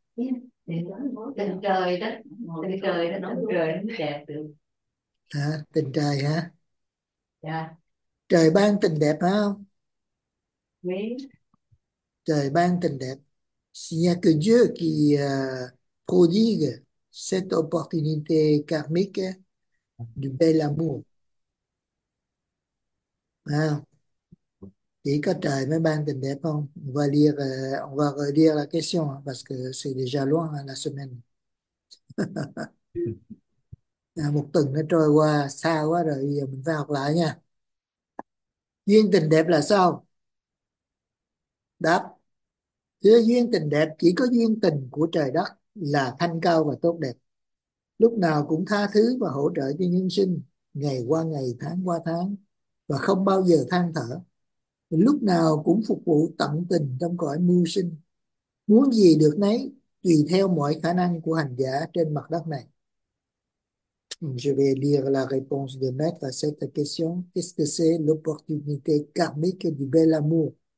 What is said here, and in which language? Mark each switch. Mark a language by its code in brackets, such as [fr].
[vi] Tình trời đó, tình trời đó, nói trời nó đẹp được. Hả? Tình trời hả? Dạ. Trời ban tình đẹp phải không? Nguyễn. Trời ban tình đẹp. [fr] S'il n'y a que Dieu qui prodigue cette opportunité karmique du bel amour. [vi] À, chỉ có trời mới ban tình đẹp không? [fr] On va relire la question hein, parce que c'est déjà loin hein, la semaine. [vi] Một tuần nó trôi qua xa quá rồi, bây giờ mình phải học lại nha. Duyên tình đẹp là sao? Đáp. Thế duyên tình đẹp, chỉ có duyên tình của trời đất là thanh cao và tốt đẹp. Lúc nào cũng tha thứ và hỗ trợ cho nhân sinh, ngày qua ngày, tháng qua tháng, và không bao giờ than thở. Lúc nào cũng phục vụ tận tình trong cõi mưu sinh. Muốn gì được nấy, tùy theo mọi khả năng của hành giả trên mặt đất này. [fr] Je vais lire la réponse de maître à cette question. Qu'est-ce que c'est l'opportunité karmique du bel amour?